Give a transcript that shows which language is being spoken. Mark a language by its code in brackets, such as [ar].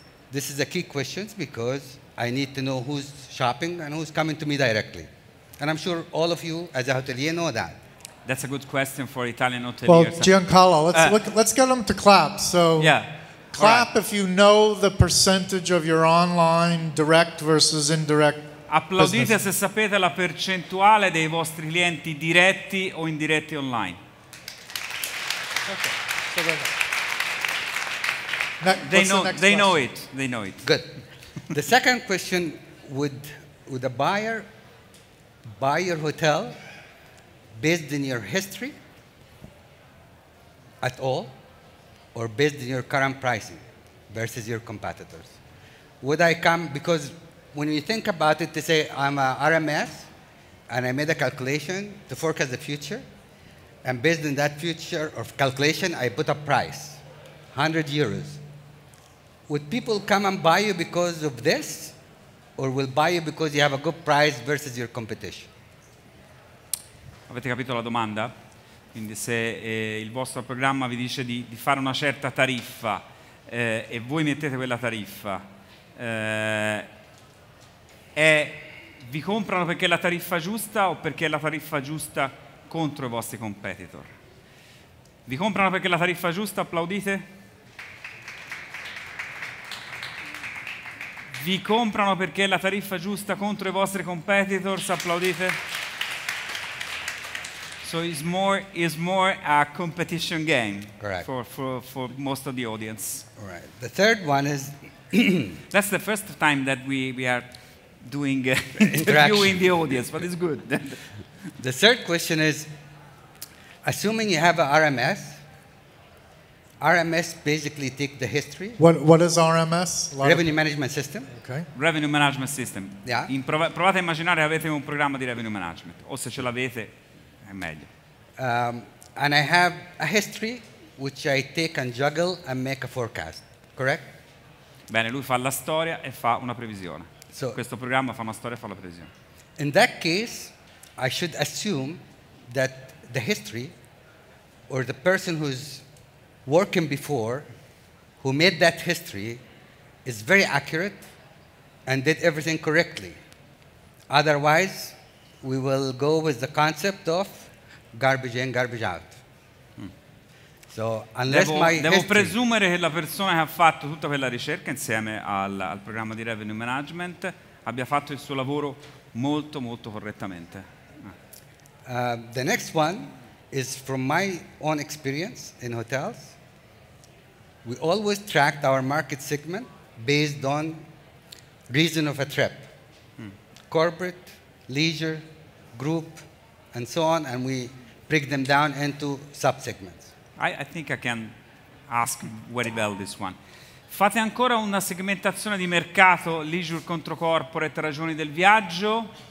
[en] This is a key question because I need to know who's shopping and who's coming to me directly. And I'm sure all of you as a hotelier know that. That's a good question for Italian hoteliers. Well, Giancarlo, let's get them to clap. So. Yeah. Clap right. If you know the percentage of your online direct versus indirect. [it] Applaudite [en] business. [it] Se sapete la percentuale dei vostri clienti diretti o indiretti online. [en] Okay. So they know it. Good. The second question, would a buyer buy your hotel based in your history at all? Or based on your current pricing versus your competitors? Would I come, because when you think about it, to say I'm a RMS and I made a calculation to forecast the future, and based on that future of calculation, I put a price, 100 euros. Would people come and buy you because of this, or will buy you because you have a good price versus your competition? [it] Avete capito la domanda? Quindi se il vostro programma vi dice di fare una certa tariffa e voi mettete quella tariffa e vi comprano perché è la tariffa giusta o perché è la tariffa giusta contro i vostri competitor? Vi comprano perché è la tariffa giusta? Applaudite. Vi comprano perché è la tariffa giusta contro i vostri competitors? Applaudite. [en] So it's more a competition game. Correct. for most of the audience. All right. The third one is that's the first time that we are doing interviewing the audience, but it's good. The third question is, assuming you have a RMS, RMS basically take the history. What is RMS? Revenue management system. Okay. Revenue management system. Yeah. [it] Provate a immaginare avete un programma di revenue management, o se ce l'avete. [en] And I have a history which I take and juggle and make a forecast. Correct? [it] Bene, lui fa la storia e fa una previsione. So, questo programma fa una storia e fa la previsione. [en] In that case, I should assume that the history or the person who's working before, who made that history, is very accurate and did everything correctly. Otherwise, we will go with the concept of garbage in, garbage out. So, unless [it] devo, [en] my [it] devo presumere che la persona che ha fatto tutta quella ricerca insieme al, al programma di revenue management abbia fatto il suo lavoro molto, molto correttamente. [en] The next one is from my own experience in hotels. We always tracked our market segment based on reason of a trip. Corporate, leisure, group, and so on, and we break them down into sub-segments. I think I can ask very well this one. [it] Fate ancora una segmentazione di mercato, leisure contro corporate, ragioni del viaggio?